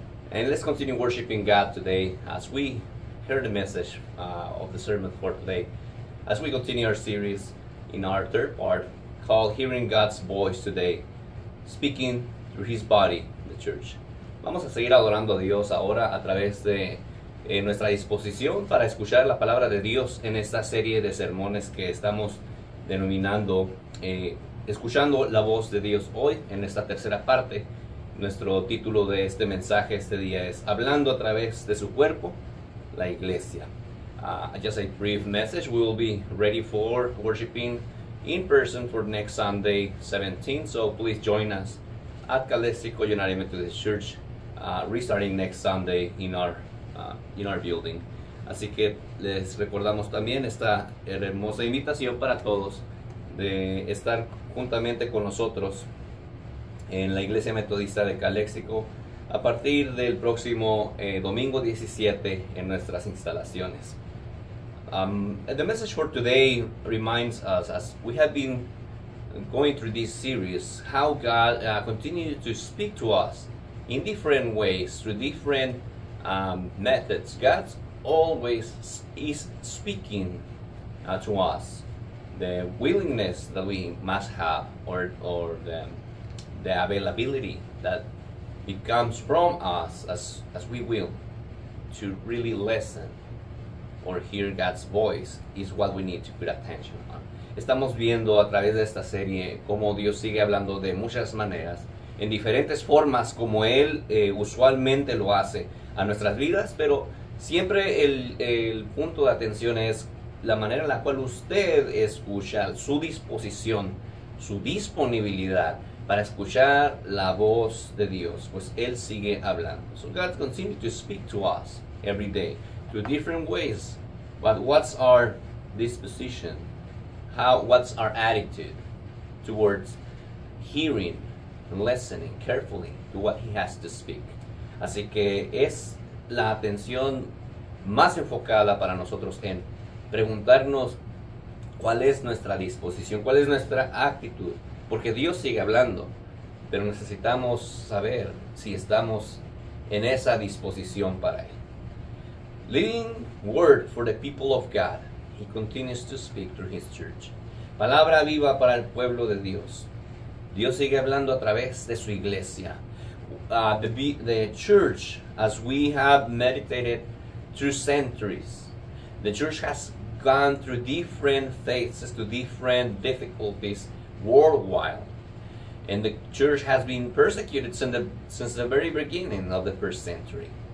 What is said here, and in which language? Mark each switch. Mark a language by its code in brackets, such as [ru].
[en] And let's continue worshiping God today as we hear the message of the sermon for today. As we continue our series in our third part called Hearing God's Voice Today, Speaking Through His Body, the Church. [es] Vamos a seguir adorando a Dios ahora a través de nuestra disposición para escuchar la palabra de Dios en esta serie de sermones que estamos denominando Escuchando la Voz de Dios. Hoy, en esta tercera parte, nuestro título de este mensaje este día es Hablando a través de su cuerpo, la iglesia. [en] Just a brief message, we will be ready for worshiping in person for next Sunday 17th. So please join us at Calistico United Methodist Church, restarting next Sunday in our building. [es] Así que les recordamos también esta hermosa invitación para todos de estar juntamente con nosotros en la Iglesia Metodista de Calexico a partir del próximo domingo 17 en nuestras instalaciones. [en] The message for today reminds us, as we have been going through this series, how God continues to speak to us in different ways, through different methods. God always is speaking to us. The willingness that we must have, or the availability that becomes from us as we will to really listen or hear God's voice is what we need to put attention on. [es] Estamos viendo a través de esta serie cómo Dios sigue hablando de muchas maneras, en diferentes formas como Él usualmente lo hace a nuestras vidas, pero siempre el punto de atención es la manera en la cual usted escucha, su disposición, su disponibilidad para escuchar la voz de Dios, pues Él sigue hablando. [en] So God continues to speak to us every day through different ways. But what's our disposition? What's our attitude towards hearing and listening carefully to what He has to speak? [es] Así que es la atención más enfocada para nosotros en preguntarnos cuál es nuestra disposición, cuál es nuestra actitud, porque Dios sigue hablando, pero necesitamos saber si estamos en esa disposición para Él. [en] Living Word for the people of God, He continues to speak through His church. [es] Palabra viva para el pueblo de Dios. Dios sigue hablando a través de su iglesia. [en] The church, as we have meditated through centuries, the church has gone through different phases, to different difficulties worldwide. And the church has been persecuted since the very beginning of the first century.